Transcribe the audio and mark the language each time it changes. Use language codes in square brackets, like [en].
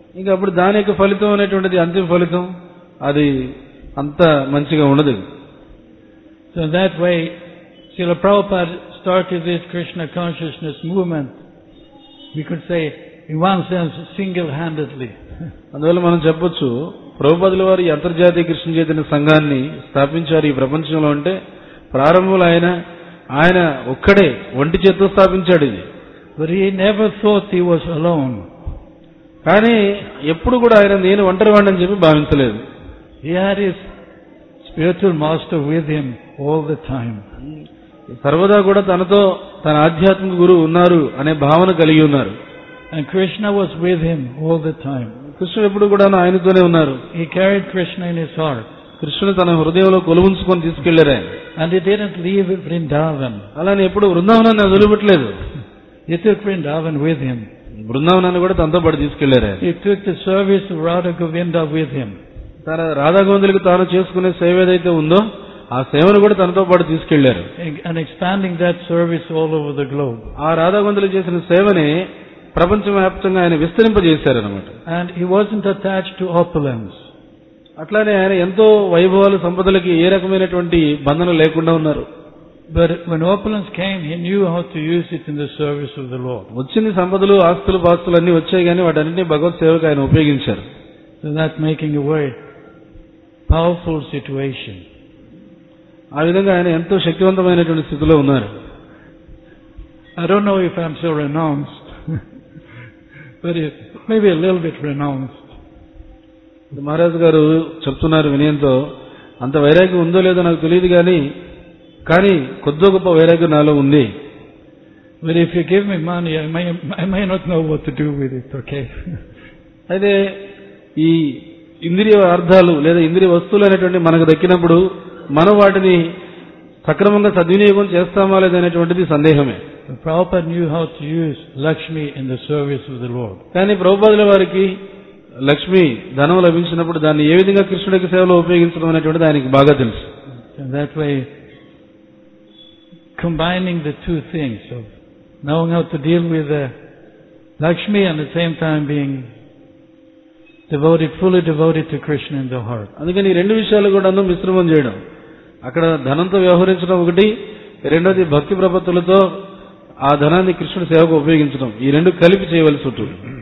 [te] ఇంకా అప్పుడు దాని యొక్క ఫలితం అనేటువంటిది అంతిమ ఫలితం అది అంత మంచిగా ఉండదు. [en] So that way Srila Prabhupada started this Krishna consciousness movement, we could say in one sense single-handedly. [te] అందువల్ల మనం చెప్పొచ్చు ప్రభుపాదుల వారు అంతర్జాతీయ కృష్ణ చైతన్య సంఘాన్ని స్థాపించారు ఈ ప్రపంచంలో అంటే ప్రారంభంలో ఆయన ఒక్కడే ఒంటి చేత్తో స్థాపించాడు ఇది. [en] But he never thought he was alone. [te] కానీ ఎప్పుడు కూడా ఆయన నేను ఒంటరి వాడిని అని చెప్పి భావించలేదు. [en] He had his spiritual master with him all the time. [te] సర్వదా కూడా తనతో తన ఆధ్యాత్మిక గురువు ఉన్నారు అనే భావన కలిగి ఉన్నారు. [en] And Krishna was with him all the time. [te] కృష్ణుడు ఎప్పుడు కూడా ఆయనతోనే ఉన్నారు. [en] He carried Krishna in his heart. [te] కృష్ణుని తన హృదయంలో కొలువుంచుకొని తీసుకెళ్లారు ఆయన. [en] And he didn't leave Vrindavan. [te] అలానే ఎప్పుడు వృందావనాన్ని వదిలిపెట్టలేదు. [en] He took Vrindavan with him. [te] బృందావనాన్ని కూడా తనతో పాటు తీసుకెళ్లారు ఆయన. [en] He took the service of Radha Govinda with him. [te] తన రాధాగోవిందులకు తాను చేసుకునే సేవ ఏదైతే ఉందో ఆ సేవను కూడా తనతో పాటు తీసుకెళ్లారు. [en] And expanding that service all over the globe. [te] ఆ రాధాగోవిందులు చేసిన సేవని ప్రపంచవ్యాప్తంగా ఆయన విస్తరింపజేశారు అన్నమాట. [en] And he wasn't attached to opulence. [te] అట్లానే ఆయన ఎంతో వైభవాలు సంపదలకి ఏ రకమైనటువంటి బంధనం లేకుండా ఉన్నారు. [en] But when opulence came, he knew how to use it in the service of the Lord. [te] వచ్చింది సంపదలు ఆస్తులు బాస్తులు అన్ని వచ్చాయి కానీ వాటన్నింటినీ భగవత్ సేవకు ఆయన ఉపయోగించారు. [en] So that making a very powerful situation. [te] ఆ విధంగా ఆయన ఎంతో శక్తివంతమైనటువంటి స్థితిలో ఉన్నారు. [en] I don't know if I'm so renounced. But maybe a little bit renounced. [te] Maharaj గారు చెప్తున్నారు వినయంతో, అంత వైరాగ్యం ఉందో లేదో నాకు తెలియదు కానీ కొద్దో గొప్ప వైరాగ్యం నాలో ఉంది. [en] But if you give me money, I may not know what to do with it, okay? [te] అయితే ఈ ఇంద్రియ అర్థాలు లేదా ఇంద్రియ వస్తువులు అనేటువంటి మనకు దక్కినప్పుడు మనం వాటిని సక్రమంగా సద్వినియోగం చేస్తామా లేదనేటువంటిది సందేహమే. [en] Prabhupada knew how to use Lakshmi in the service of the Lord. [te] కానీ ప్రభుపాదుల వారికి లక్ష్మి ధనం లభించినప్పుడు దాన్ని ఏ విధంగా కృష్ణుడికి సేవలో ఉపయోగించడం అనేటువంటిది ఆయనకి బాగా తెలుసు. [en] That way, combining the two things of knowing how to deal with the Lakshmi and at the same time being fully devoted to Krishna in the heart. [te] అందుకని ఈ రెండు విషయాలు కూడాను మిశ్రమం చేయడం, అక్కడ ధనంతో వ్యవహరించడం ఒకటి, రెండోది భక్తి ప్రపత్తులతో ఆ ధనాన్ని కృష్ణుడి సేవకు ఉపయోగించడం, ఈ రెండు కలిపి చేయవలసి ఉంటుంది.